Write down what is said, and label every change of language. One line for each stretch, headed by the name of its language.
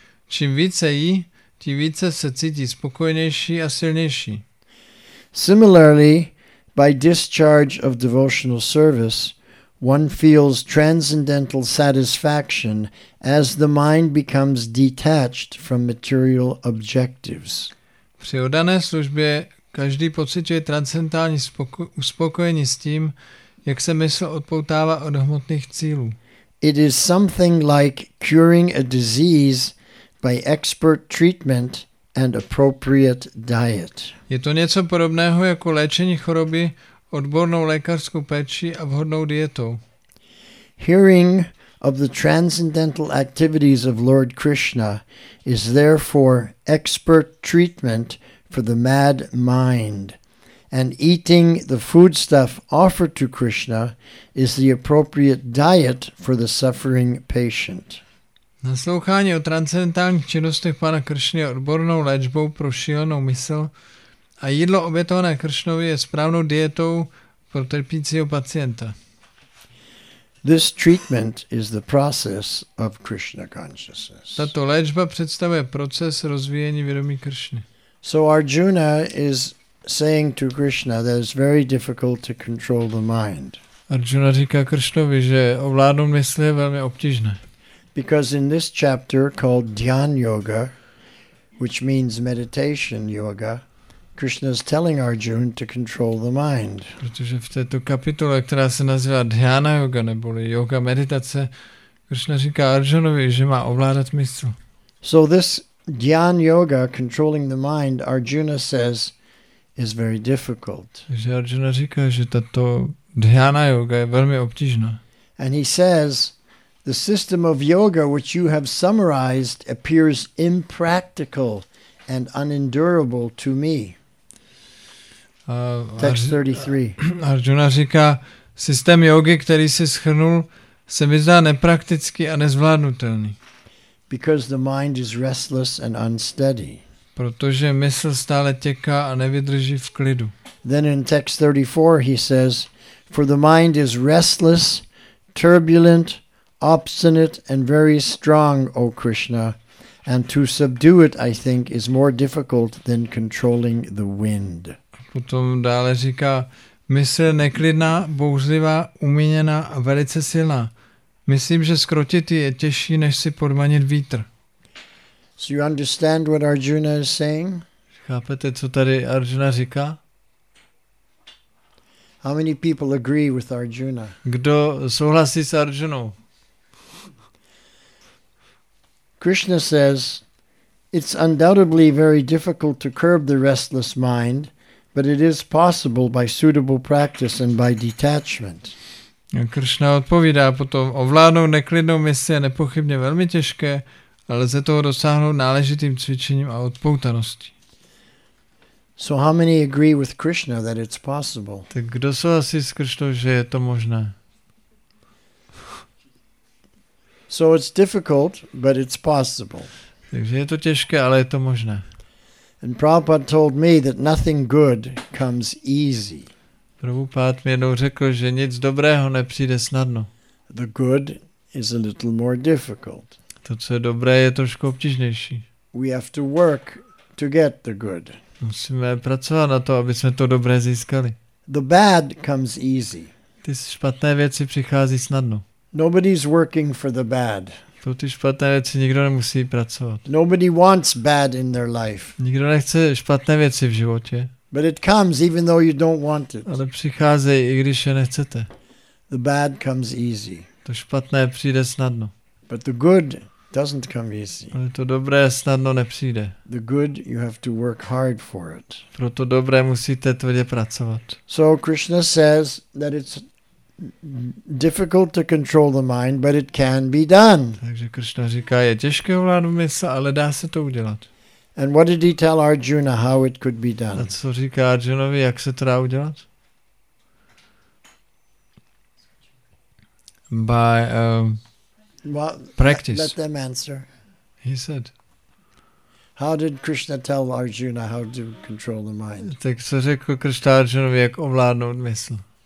Czech: Čím více jí, tím více se cítí spokojenější a silnější.
English: Similarly, by discharge of devotional service, one feels transcendental satisfaction as the mind becomes detached from material objectives.
Czech: Při oddané službě každý pociťuje transcendentální uspokojení s tím, jak se mysl odpoutává od hmotných cílů.
English: It is something like curing a disease by expert treatment and appropriate diet.
Czech: Je to něco podobného jako léčení choroby odbornou lékařskou péčí a vhodnou dietou.
English: Hearing of the transcendental activities of Lord Krishna is therefore expert treatment for the mad mind, and eating the foodstuff offered to Krishna is the appropriate diet for the suffering patient.
Czech: Naslouchání o transcendentálních činnostech pana Kršny je odbornou léčbou pro šílenou mysl a jídlo obětované Kršnovi je správnou dietou pro trpícího pacienta.
English: This treatment is the process of Krishna consciousness.
Czech: Tato léčba představuje proces rozvíjení vědomí Kršny.
English: So Arjuna is saying to Krishna that it's very difficult to control the mind.
Czech: Arjuna říká Kršnovi, že ovládnout mysl je velmi obtížné.
English: Because in this chapter called Dhyan Yoga, which means meditation yoga, Krishna is telling Arjuna to control the mind.
Czech: Protože v této kapitole, která se nazývá Dhyana Yoga, neboli yoga meditace, Krishna říká Arjunovi, že má ovládat mysl.
English: So this Dhyan Yoga, controlling the mind, Arjuna says, is very difficult.
Czech: Takže Arjuna říká, že tato Dhyana Yoga je velmi obtížná.
English: And he says The system of yoga which you have summarized appears impractical and unendurable to me. Text 33.
Czech: Arjuna říká, systém jógy, který si shrnul, se mi zdá nepraktický a nezvládnutelný.
English: Because the mind is restless and unsteady.
Czech: Protože mysl stále těká a nevydrží v klidu.
English: Then in text 34 he says, for the mind is restless, turbulent, obstinate and very strong, O Krishna, and to subdue it, I think, is more difficult than controlling the wind.
Czech: Potom dále říká, mysl neklidná, bouřlivá, uměněná a velice silná. Myslím, že zkrotit ji je těžší, než si podmanit vítr.
English: So you understand what Arjuna is saying?
Czech: Chápete, co tady Arjuna říká?
English: How many people agree with Arjuna?
Czech: Kdo souhlasí s Arjunou?
English: Krishna says, it's undoubtedly very difficult to curb the restless mind, but it is possible by suitable practice and by detachment.
Czech: Krishna odpovídá potom, ovládnout neklidnou mysl je nepochybně velmi těžké, ale lze toho dosáhnout náležitým cvičením a odpoutaností.
English: So how many agree with Krishna that it's possible?
Czech: Tak kdo souhlasí s Krishnou, že je to možné?
English: So it's difficult, but it's possible.
Czech: Takže je to těžké, ale je to možné.
English: And Prabhupada told me that nothing good comes easy.
Czech: Prabhupád mi jednou řekl, že nic dobrého nepřijde snadno.
English: The good is a little more difficult.
Czech: To, co je dobré, je trošku obtížnější.
English: We have to work to get the good.
Czech: Musíme pracovat na to, aby jsme to dobré získali.
English: The bad comes easy.
Czech: Ty špatné věci přichází snadno.
English: Nobody's working for the bad.
Czech: Pro ty špatné věci nikdo nemusí pracovat.
English: Nobody wants bad in their life.
Czech: Nikdo nechce špatné věci v životě.
English: But it comes even though you don't want it.
Czech: Ale přichází, i když je nechcete.
English: The bad comes easy.
Czech: To špatné přijde snadno.
English: But the good doesn't come easy.
Czech: Ale to dobré snadno nepřijde.
English: The good you have to work hard for it.
Czech: Pro to dobré musíte tvrdě pracovat.
English: So Krishna says that it's difficult to control the mind, but it can be done.
Czech: Takže Krishna říká, je těžké ovládnout mysl, ale dá se to udělat.
English: And what did he tell Arjuna how it could be done?
Czech: A co říká Arjunovi, jak se to dá udělat?
English: By practice. Let them answer. He said. How did Krishna tell Arjuna how to control the mind?
Czech: Tak co řekl Krishna Arjunovi, jak ovládnout mysl?